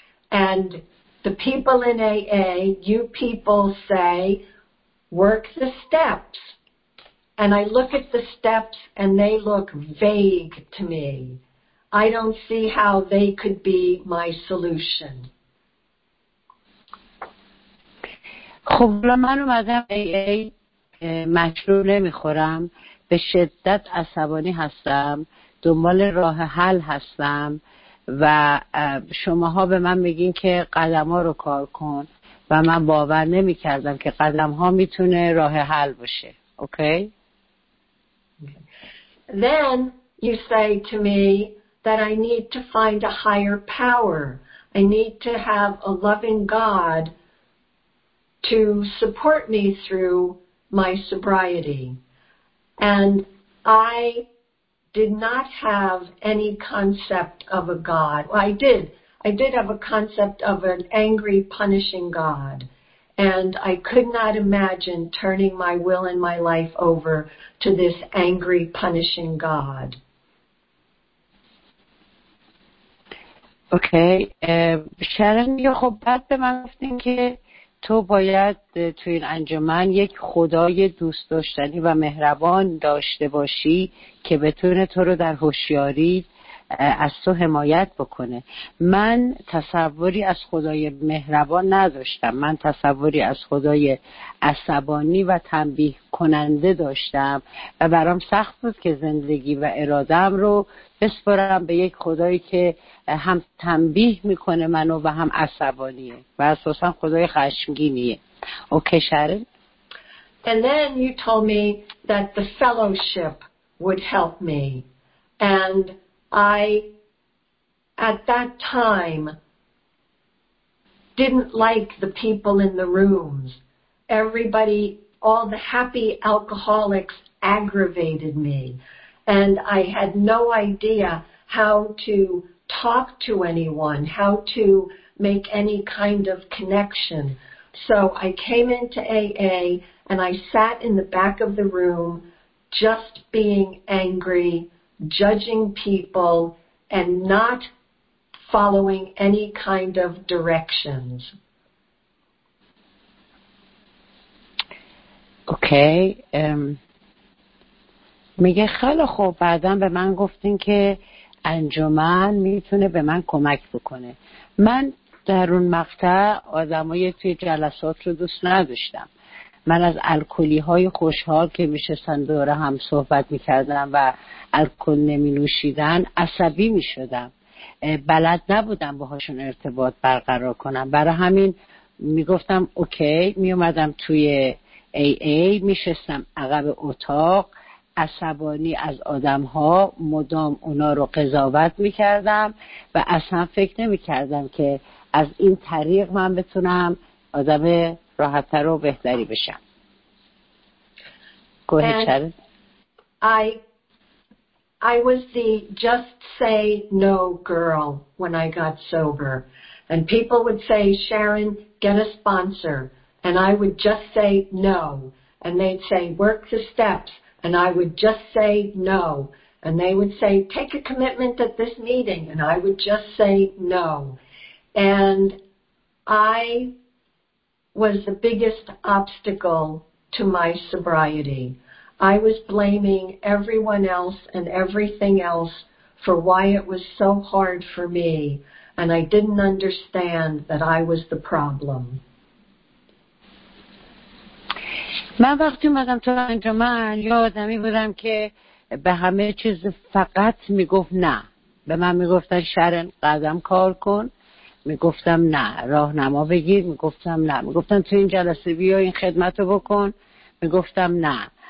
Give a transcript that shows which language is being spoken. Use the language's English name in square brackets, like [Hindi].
[English] And the people in AA, you people say, work the steps. And I look at the steps and they look vague to me. I don't see how they could be my solution. [Persian] خب من اومدم AA، مشروب نمیخورم، به شدت عصبانی هستم، دنبال راه حل هستم و شماها به من میگین که قدم ها رو کار کن و من باور نمیکردم که قدم ها میتونه راه حل باشه. اوکی [English] Then you say to me that I need to find a higher power. I need to have a loving God to support me through my sobriety. And I did not have any concept of a God. Well, I did have a concept of an angry, punishing God. And I could not imagine turning my will and my life over to this angry, punishing God. Okay. [Persian] Sharon, you خب بعد به من گفتین که تو باید تو این انجمن یک خدای دوست داشتنی و مهربان داشته باشی که بتونه تو رو در هوشیاری از تو حمایت بکنه. من تصوری از خدای مهربان نداشتم، من تصوری از خدای عصبانی و تنبیه کننده داشتم و برام سخت بود که زندگی و ارادم رو بسپرم به یک خدایی که هم تنبیه میکنه منو و هم عصبانیه و اساسا خدای خشمگینیه. اوکی شرن؟ [English] And then you told me that the fellowship would help me and I at that time didn't like the people in the rooms. Everybody, all the happy alcoholics aggravated me. And I had no idea how to talk to anyone, how to make any kind of connection. So I came into AA and I sat in the back of the room just being angry, judging people, and not following any kind of directions. [Persian] اوکی میگه خیلی خوب بعدم به من گفتین که انجمن میتونه به من کمک بکنه. من در اون مقطع آدمای توی جلسات رو دوست نداشتم. من از الکلی های خوشحال که میشستن دوره هم صحبت میکردن و الکل نمی نوشیدن عصبی میشدم، بلد نبودم باهاشون ارتباط برقرار کنم. برای همین میگفتم اوکی، میومدم توی AA، میشستم عقب اتاق، عصبانی از آدم‌ها، مدام اونا رو قضاوت می‌کردم و اصلا فکر نمی‌کردم که از این طریق من بتونم آدم راحت‌تر و بهتری بشم. [English] I was the just say no girl when I got sober, and people would say, Sharon, get a sponsor. And I would just say no. And they'd say, work the steps. And I would just say no. And they would say, take a commitment at this meeting. And I would just say no. And I was the biggest obstacle to my sobriety. I was blaming everyone else and everything else for why it was so hard for me. And I didn't understand that I was the problem. [Persian] من وقتی اومدم تو انجمن یه آدمی بودم که به همه چیز فقط میگفت نه. به من میگفتن شرن قدم کار کن، میگفتم نه. راهنما بگیر، میگفتم نه. میگفتن تو این جلسه بیا این خدمت رو بکن، میگفتم نه.